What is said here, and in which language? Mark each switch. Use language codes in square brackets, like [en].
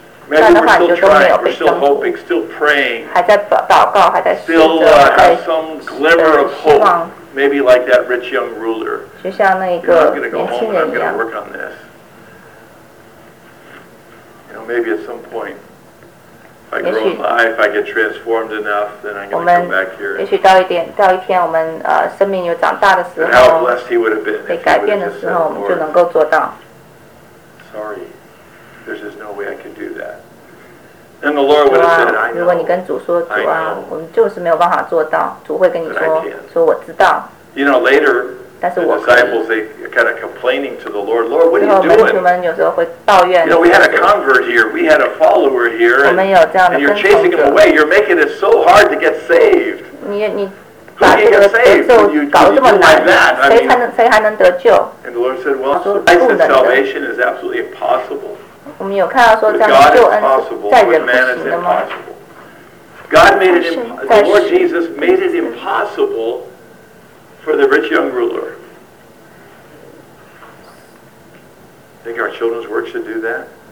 [zh] 这样的话，你就都没有被征服。还在祷告，还在试着在希望。 [en] Maybe like that rich young ruler. [zh] 就像那一个年轻人一样。 [en] Maybe at some point, if I grow up, if I get transformed enough, then I'm going to come back here. [zh] 也许到一点，到一天我们生命有长大的时候。 [en] How blessed he would have been. [zh] 被改变的时候，我们就能够做到。 [en] Sorry, there's just no way I can do that. Then the Lord would have said, "I know." [zh] 如果你跟主说，主啊，我们就是没有办法做到。主会跟你说，说我知道。 [en] You know, later. The disciples, they kind of complaining to the Lord, Lord, what are you doing? [zh] 门徒们有时候会抱怨。 [en] You know, we had a convert here, we had a follower here, and you're chasing him away. You're making it so hard to get saved. [zh] 你把这个得救搞这么难，谁还能得救？ [en] And the Lord said, Well, Christ's salvation is absolutely impossible. [zh] 我们有看到说，这样的救恩在人不行的吗？ [en] God made it impossible. The Lord Jesus made it impossible. For the rich young ruler. Think our children's work should do that?